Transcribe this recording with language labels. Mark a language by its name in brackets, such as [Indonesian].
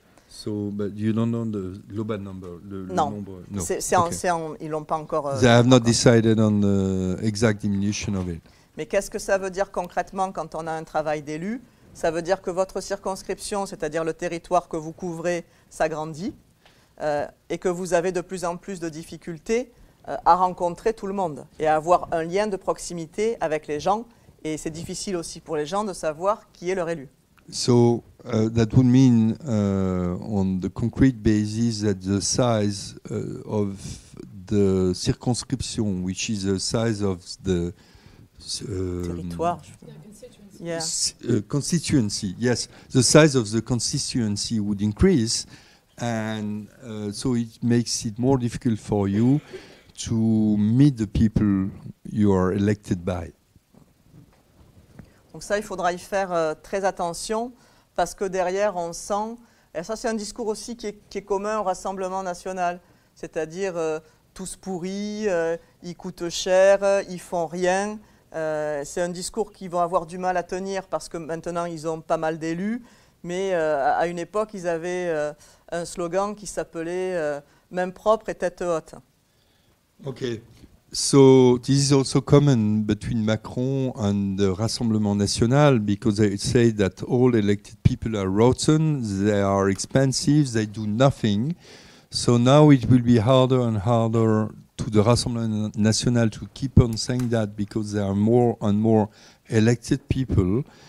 [English] So but you don't know the global number, [French] No. Ils l'ont pas encore. [English] They have not decided on the exact diminution of it. [French] Mais qu'est-ce que ça veut dire concrètement quand on a un travail d'élu? Ça veut dire que votre circonscription, c'est-à-dire le territoire que vous couvrez, s'agrandit. Et que vous avez de plus en plus de difficultés à rencontrer tout le monde et à avoir un lien de proximité avec les gens. Et c'est difficile aussi pour les gens de savoir qui est leur élu. [English] So that would mean on the concrete basis that the size of the circonscription, which is the size of the [French] territoire. [English] Constituency, yes. The size of the constituency would increase. And so it makes it more difficult for you to meet the people you are elected by. [French] Donc ça, il faudra y faire très attention, parce que derrière, on sent, et ça c'est un discours aussi qui est commun au Rassemblement National, c'est-à-dire tous pourris, ils coûtent cher, ils font rien. C'est un discours qu'ils vont avoir du mal à tenir, parce que maintenant, ils ont pas mal d'élus, mais à une époque, ils avaient un slogan qui s'appelait même propre et tête haute. [English] Okay, so this is also common between Macron and the Rassemblement National because they say that all elected people are rotten, they are expensive, they do nothing. So now it will be harder and harder to the Rassemblement National to keep on saying that because there are more and more elected people.